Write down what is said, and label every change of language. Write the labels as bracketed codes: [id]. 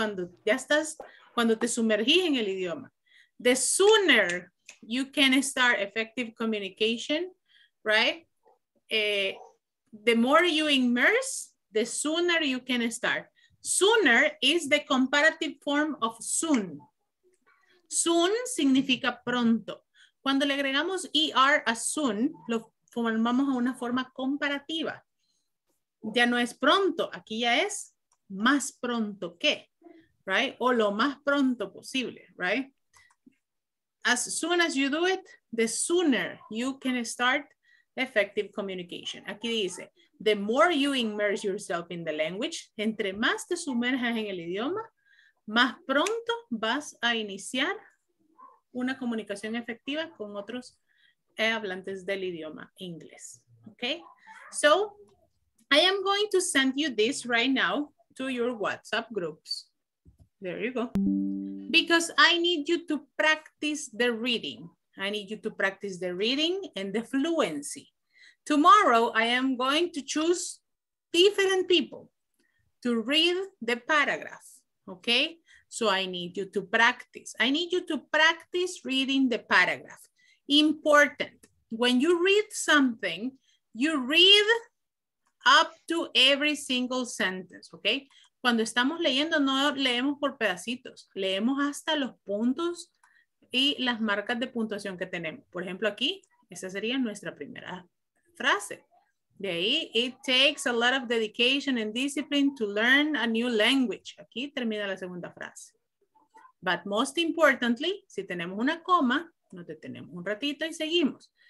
[es] Cuando ya estás, cuando te sumergís en el idioma. [en] The sooner you can start effective communication, right? The more you immerse, the sooner you can start. Sooner is the comparative form of soon. [es] Soon significa pronto. Cuando le agregamos ER a soon, lo formamos a una forma comparativa. Ya no es pronto, aquí ya es más pronto que, right? O lo más pronto posible, right? [en] As soon as you do it, the sooner you can start effective communication. [es] Aquí dice, [en] the more you immerse yourself in the language, [es] entre más te sumerjas en el idioma, más pronto vas a iniciar una comunicación efectiva con otros hablantes del idioma inglés. Okay? [en] So, I am going to send you this right now to your WhatsApp groups. There you go. Because I need you to practice the reading. I need you to practice the reading and the fluency. Tomorrow, I am going to choose different people to read the paragraph. Okay? So I need you to practice. I need you to practice reading the paragraph. Important. When you read something, you read up to every single sentence. [es] Okay? Cuando estamos leyendo, no leemos por pedacitos. Leemos hasta los puntos y las marcas de puntuación que tenemos. Por ejemplo, aquí, esa sería nuestra primera frase. De ahí, [en] it takes a lot of dedication and discipline to learn a new language. [es] Aquí termina la segunda frase. [en] But most importantly, [es] si tenemos una coma, nos detenemos un ratito y seguimos.